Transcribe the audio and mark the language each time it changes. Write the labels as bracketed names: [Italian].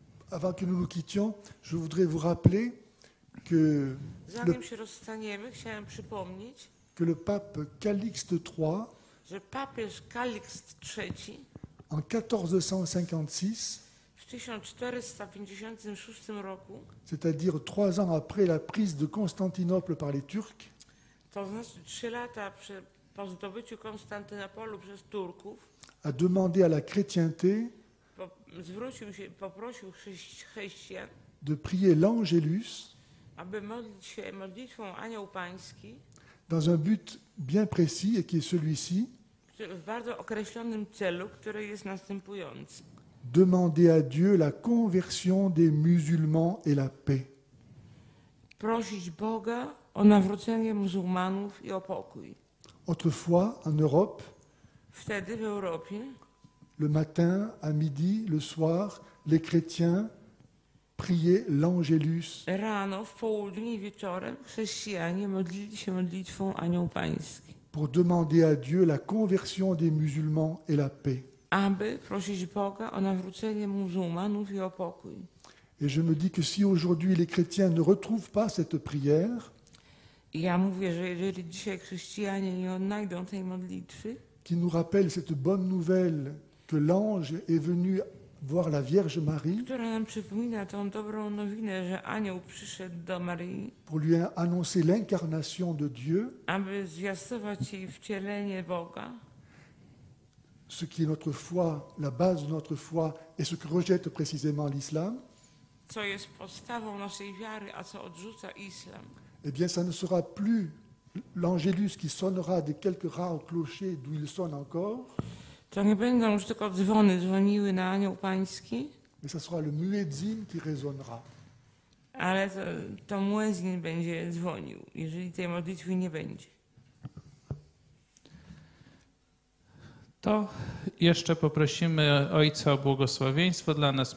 [French] Avant que nous nous quittions, je voudrais vous rappeler que [Polish] zanim się rozstaniemy, chciałem przypomnieć, [French] que le pape Calixte III, [Polish] że papież Calixte III [French] en 1456 [Polish] 1456 roku, [French] c'est-à-dire trois ans après la prise de Constantinople par les Turcs, [Polish] to znaczy trzy lata po zdobyciu Konstantynopolu przez Turków, [French] a demandé à la chrétienté, [Polish] zwrócił się, poprosił chrześcijan, [French] de prier l'Angélus, [Polish] aby modlić się modlitwą Anioł Pański, [French] dans un but bien précis et qui est celui-ci, [Polish] w bardzo określonym celu, który jest następujący. [French] Demander à Dieu la conversion des musulmans et la paix. [Polish] Prosić Boga o nawrócenie muzułmanów i o pokój. [French] Autrefois, en Europe, [Polish] wtedy w Europie, [French] le matin, à midi, le soir, les chrétiens prier l'Angelus. [Polish] Rano, w południe, wieczorem, chrześcijanie modlili się modlitwą Anioł Pański. [French] Pour demander à Dieu la conversion des musulmans et la paix. [Polish] Aby prosić Boga o nawrócenie muzułmanów i o pokój. [French] Et je me dis que si aujourd'hui les chrétiens ne retrouvent pas cette prière, [Polish] ja mówię, że jeżeli dzisiaj chrześcijanie nie odnajdą tej modlitwy, [French] qui nous rappelle cette bonne nouvelle que l'ange est venu voir la Vierge Marie, [Polish] która nam przypomina tą dobrą nowinę, że anioł przyszedł do Marii, [French] pour lui annoncer l'incarnation de Dieu, [Polish] aby zwiastować jej wcielenie Boga, [French] ce qui est notre foi, la base de notre foi, et ce que rejette précisément l'islam, [Polish] co jest podstawą naszej wiary, a co odrzuca islam. [French] Eh bien, ça ne sera plus l'Angelus qui sonnera des quelques rares clochers d'où il sonne encore. [Polish] To nie będą już tylko dzwony dzwoniły na Anioł Pański. [French] Mais ça sera le muezzin qui résonnera. [Polish] Ale to, to muezzin będzie dzwonił, jeżeli tej modlitwy nie będzie. To jeszcze poprosimy Ojca o błogosławieństwo dla nas.